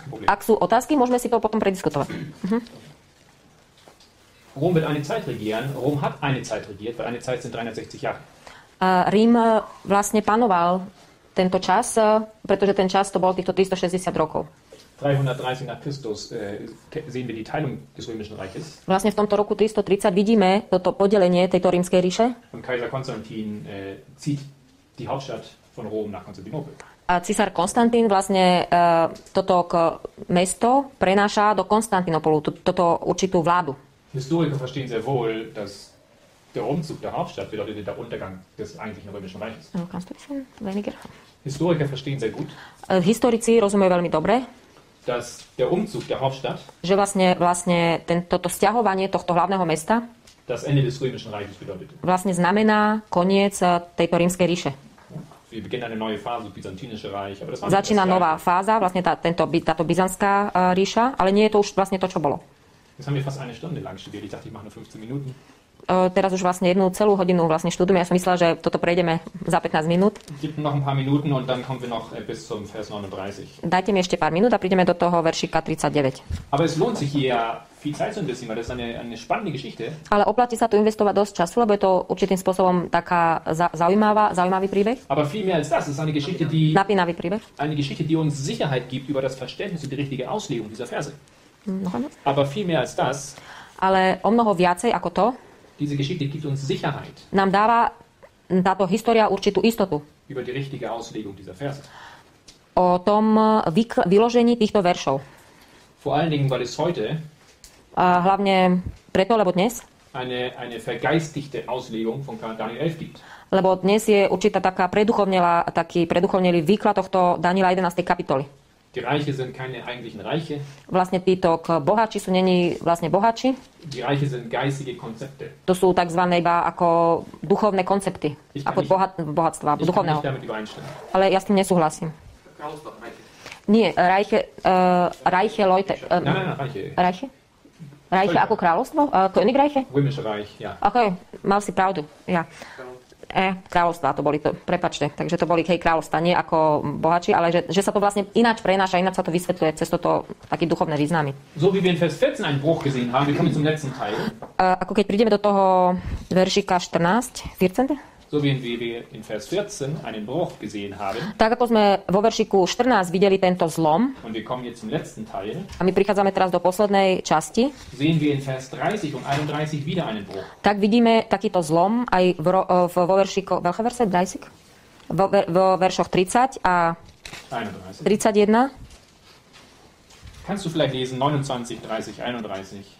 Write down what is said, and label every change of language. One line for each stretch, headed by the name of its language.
Slovak: Ak sú otázky, môžeme si to potom prediskutovať.
German: Rom wird eine Zeit regieren. Rom hat eine Zeit regiert, weil eine Zeit sind 360 Jahre.
Slovak: Rím vlastne panoval tento čas, pretože ten čas to bol týchto 360 rokov.
German: 330 nach Christus sehen wir die Teilung des römischen Reiches.
Slovak: Vlastne v tomto roku 330 vidíme toto podelenie tejto rímskej ríše.
German: Und Kaiser Konstantin zieht die Hauptstadt von Rom nach Konstantinopel.
Slovak: A cisár Konstantín vlastne toto mesto prenáša do Konstantinopolu, toto určitú vládu.
German: Historiker verstehen sehr wohl, dass der Umzug der Hauptstadt bedeutet der Untergang des eigentlichen römischen Reiches. Kannst du ein bisschen weniger? Historiker verstehen sehr gut.
Slovak: Historici rozumie veľmi dobre.
German: Dass der Umzug der Hauptstadt.
Slovak: Že vlastne toto sťahovanie tohto hlavného mesta.
German: Das Ende des römischen Reiches bedeutet.
Slovak: Vlastne znamená koniec tejto rímskej ríše.
German: Wir beginnen eine neue Phase, byzantinische Reich, aber das war.
Slovak: Začína nová fáza, vlastne táto byzantská ríša, ale nie je to už vlastne to, čo bolo.
German: Jetzt haben wir fast eine Stunde lang studiert. Ich dachte, ich mache nur 15 Minuten.
Slovak: Teraz už vlastne jednu celú hodinu vlastne študujeme. Ja som myslela, že toto prejdeme za 15 minút.
German: Gib noch ein paar Minuten und dann kommen wir noch bis zum Vers 39.
Slovak: Dajte mi ešte pár minút a prídeme do toho veršika 39.
German: Aber es lohnt sich hier viel Zeit zu investieren, weil das ist eine spannende Geschichte.
Slovak: Ale oplatí sa tu investovať dosť času, lebo je to určitým spôsobom taká zaujímavý príbeh.
German: Aber viel mehr als das, es ist eine Geschichte, die
Slovak: napínavý príbeh.
German: Eine Geschichte, die uns Sicherheit gibt über das Verständnis und die richtige Auslegung dieser Verse. Aber viel mehr als das.
Slovak: Ale o mnoho viacej ako to.
German: Diese Geschichte gibt uns Sicherheit.
Slovak: Nám dáva táto história určitú istotu.
German: Über die richtige Auslegung dieser Verse.
Slovak: O tom vyložení týchto veršov.
German: Vor allen Dingen, weil es heute.
Slovak: A hlavne preto, lebo dnes.
German: Eine vergeistigte Auslegung von Daniel 11 gibt.
Slovak: Lebo dnes je určitá taká preduchovnelá, taký preduchovnelý výklad tohto Daniela 11. kapitoly.
German: Die Reiche sind keine eigentlichen Reiche.
Slovak: Vlastne títo bohači sú neni vlastne bohači.
German: Die Reiche sind geistige Konzepte.
Slovak: To sú takzvané iba ako duchovné koncepty. Ako bohatstva, duchovného. Ale ja s tým nesúhlasím. Nie,
German: Reiche, Leute. Reiche?
Slovak: Reiche ako kráľovstvo? Königreiche?
German: Römische Reich, ja.
Slovak: Okay, mal si pravdu, ja. Kráľovstva to boli, to, prepáčte, takže to boli hej kráľovstva, nie ako bohači, ale že sa to vlastne ináč prenáša, ináč sa to vysvetľuje cez toto taký duchovné významy.
German: So wie wir in Vers 14 einen Bruch gesehen haben, wir kommen zum letzten Teil.
Slovak: Ako keď prídeme do toho veršika 14, 14.
German: So wie wir in Vers 14 einen Bruch gesehen haben.
Slovak: Tak ako sme vo veršiku 14 videli tento zlom.
German: Und wir kommen jetzt zum letzten Teil.
Slovak: A my prichádzame teraz do poslednej časti.
German: Sehen wir in Vers 30 und 31 wieder einen Bruch.
Slovak: Tak vidíme takýto zlom aj vo veršiku, veľké verse, 30? Vo veršoch 30 a 31. 31.
German: Kannst du vielleicht lesen 29, 30, 31?